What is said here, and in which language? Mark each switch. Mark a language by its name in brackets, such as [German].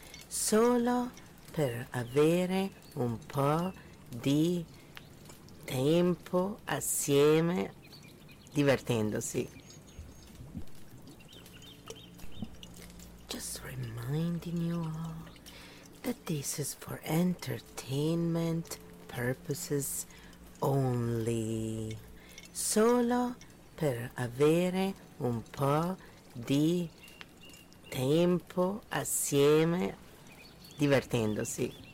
[Italian] Solo per avere un po' di tempo assieme divertendosi. [English] Just reminding you all that this is for entertainment purposes only. [Italian] Solo per avere un po' di tempo assieme divertendosi.